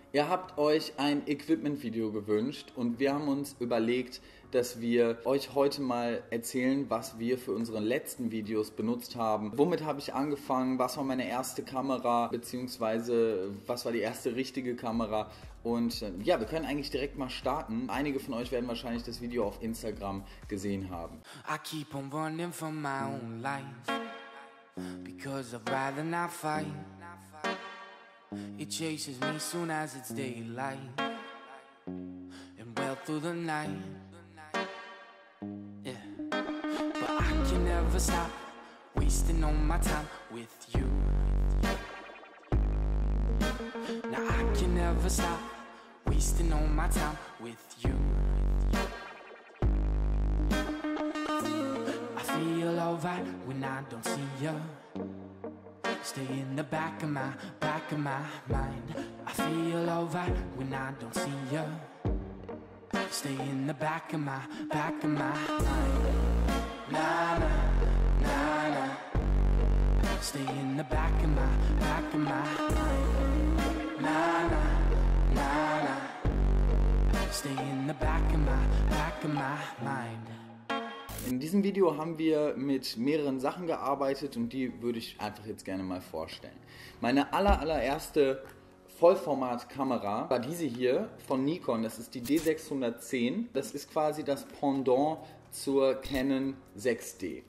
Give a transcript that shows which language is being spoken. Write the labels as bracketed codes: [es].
[de] Ihr habt euch ein Equipment-Video gewünscht und wir haben uns überlegt, dass wir euch heute mal erzählen, was wir für unsere letzten Videos benutzt haben. Womit habe ich angefangen? Was war meine erste Kamera? Beziehungsweise, was war die erste richtige Kamera? Und ja, wir können eigentlich direkt mal starten. Einige von euch werden wahrscheinlich das Video auf Instagram gesehen haben. [en] I keep on running for my own life, because I'd rather not fight. It chases me soon as it's daylight, and well through the night. Yeah, but I can never stop wasting all my time with you. Now I can never stop wasting all my time with you. I feel alright when I don't see you. Stay in the back of my mind. I feel alright when I don't see ya. Stay in the back of my mind. Nah, nah, nah, nah. Stay in the back of my mind. Nah, nah, nah, nah. Stay in the back of my mind. [de] In diesem Video haben wir mit mehreren Sachen gearbeitet und die würde ich einfach jetzt gerne mal vorstellen. Meine allererste Vollformatkamera war diese hier von Nikon, das ist die D610. Das ist quasi das Pendant zur Canon 6D.